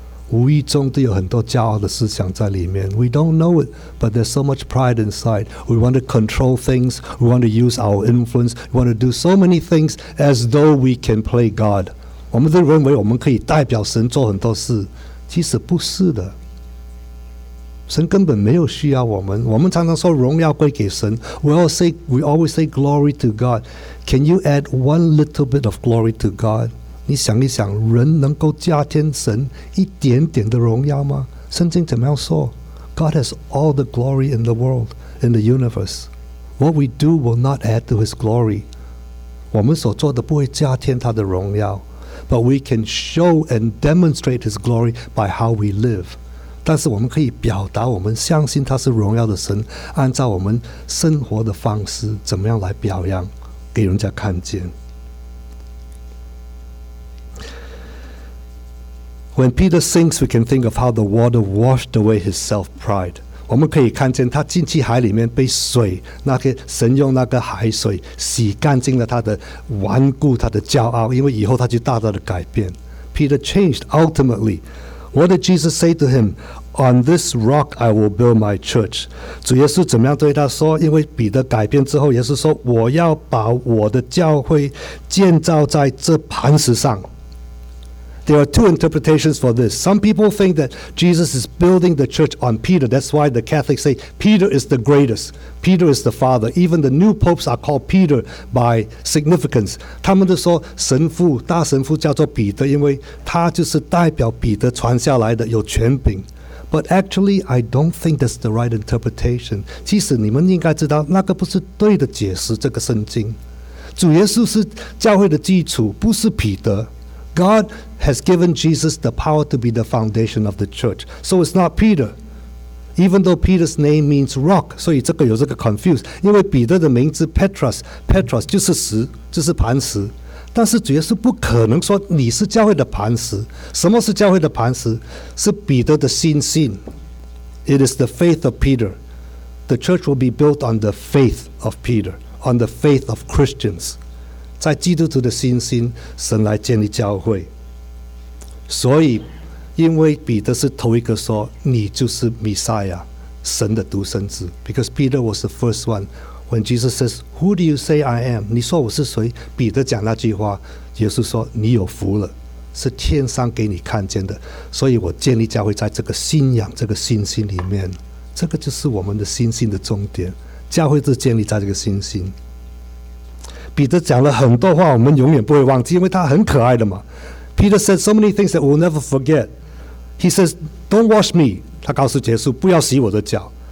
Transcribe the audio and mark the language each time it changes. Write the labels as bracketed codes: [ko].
[zh] 无意中都有很多骄傲的思想在里面。 [en] We don't know it, but there's so much pride inside. We want to control things. We want to use our influence. We want to do so many things as though we can play God. [zh] 我们都认为我们可以代表神做很多事，其实不是的。神根本没有需要我们。我们常常说荣耀归给神。 [en] We always say glory to God. Can you add one little bit of glory to God? [zh] 你想一想，人能够加添神一点点的荣耀吗？圣经怎么样说？ [en] God has all the glory in the world, in the universe. What we do will not add to his glory. [zh] 我们所做的不会加添他的荣耀。 [en] But we can show and demonstrate his glory by how we live. [zh] 但是我们可以表达我们相信他是荣耀的神，按照我们生活的方式怎么样来表扬给人家看见。 [en] When Peter sinks, we can think of how the water washed away his self-pride. [zh] 我们可以看见他进去海里面被水，那个神用那个海水洗干净了他的顽固，他的骄傲，因为以后他就大大的改变。 [en] Peter changed ultimately. What did Jesus say to him? On this rock I will build my church. [zh] 主耶稣怎么样对他说？因为彼得改变之后，耶稣说：“我要把我的教会建造在这磐石上。” [en] There are two interpretations for this. Some people think that Jesus is building the church on Peter. That's why the Catholics say Peter is the greatest. Peter is the father. Even the new popes are called Peter by significance. [zh] 他们都说神父，大神父叫做彼得，因为他就是代表彼得传下来的，有权柄。 [en] But actually, I don't think that's the right interpretation. [zh] 其实你们应该知道，那个不是对的解释，这个圣经。主耶稣是教会的基础，不是彼得。 [en] God has given Jesus the power to be the foundation of the church. So it's not Peter. Even though Peter's name means rock, [zh] 所以这个有这个 [en] confuse. [zh] 因为彼得的名字 Petros 就是石，就是磐石。但是主耶稣不可能说你是教会的磐石。什么是教会的磐石？是彼得的信心。 [en] It is the faith of Peter. The church will be built on the faith of Peter, on the faith of Christians. [zh] 在基督徒的信心，神来建立教会。所以，因为彼得是头一个说，你就是弥赛亚，神的独生子。 [en] Because Peter was the first one. When Jesus says, Who do you say I am? [zh] 你说我是谁？彼得讲那句话，耶稣说，你有福了，是天上给你看见的。所以我建立教会在这个信仰，这个信心里面。这个就是我们的信心的终点。教会是建立在这个信心。彼得讲了很多话我们永远不会忘记，因为他很可爱的嘛。 [en] Peter said so many things that we'll never forget. He says, don't wash me. [zh] 他告诉耶稣不要洗我的脚。